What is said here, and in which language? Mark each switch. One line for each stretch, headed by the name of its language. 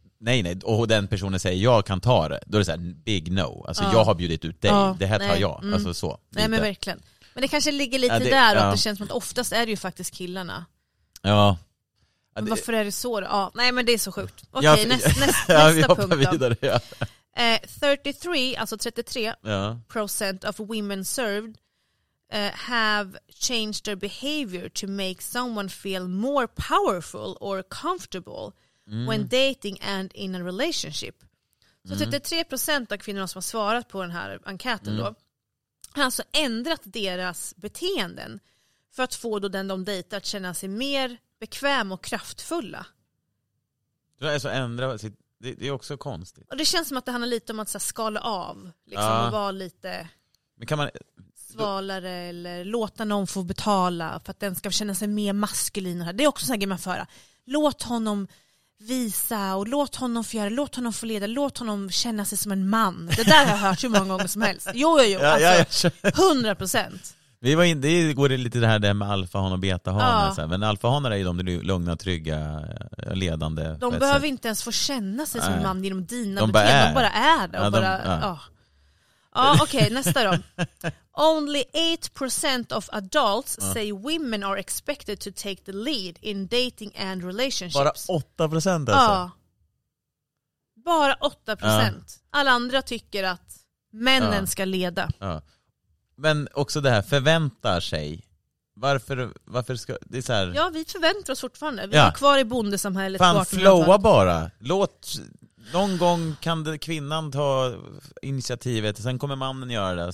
Swedish: nej, nej, och den personen säger jag kan ta det, då är det så här
English: big no.
Swedish: Alltså jag har bjudit ut dig, det här tar jag. Mm. Alltså så. Nej, lite. Men verkligen. Men det kanske ligger lite där och det känns som att oftast är det ju faktiskt killarna. Ja. Men varför är det så då? Ja, nej, men det är så sjukt. Okej, okay, nästa punkt då. Vidare, ja. 33% ja.
English: Procent of women served have changed their behavior to make someone feel more powerful or comfortable when dating and in a relationship.
Swedish: Så 33% av kvinnorna som har svarat på den här enkäten då har alltså ändrat deras beteenden för att få då den de dejtar att känna sig mer bekväm och kraftfulla. Det är så ändra sitt, det är också konstigt. Och det känns som att det handlar lite om att så skala av liksom, och vara lite men kan man, svalare då, eller låta någon få betala för att den ska känna sig mer maskulin. Det är också så här grejen man föra. Låt honom visa och låt honom få göra, låt honom få leda, låt honom känna sig som en man. Det där har jag hört hur många gånger som helst. Jo. Alltså, 100%. Vi var inne, det går lite det här med alfahan och betahanen. Ja. Men alfahanar är ju de lugna, trygga, ledande. De behöver inte ens få känna sig som en man genom dina beteenden. De bara är det. Ja, okej, okay, nästa då.
English: Only 8% of adults say women are expected to take the lead in dating and relationships.
Swedish: Bara 8% alltså? Ja. Bara 8%. Ja. Alla andra tycker att männen ska leda. Ja. Men också det här förväntar sig. Varför ska det är så här? Ja, vi förväntar oss fortfarande. Vi är kvar i bondesamhället. Fan, flowa bara. Låt någon gång kan kvinnan ta initiativet och sen kommer mannen göra det.